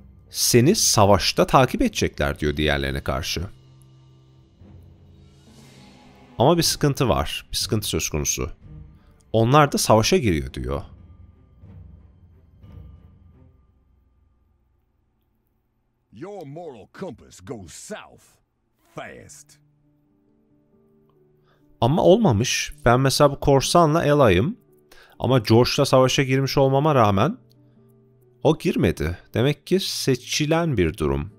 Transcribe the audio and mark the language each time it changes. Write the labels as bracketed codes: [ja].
[tr] Seni savaşta takip edecekler diyor diğerlerine karşı. Ama bir sıkıntı var. Bir sıkıntı söz konusu. Onlar da savaşa giriyor diyor. [en] Your moral compass goes south fast. [tr] Ama olmamış. Ben mesela bu korsanla ally'ım. Ama George'la savaşa girmiş olmama rağmen o girmedi. Demek ki seçilen bir durum.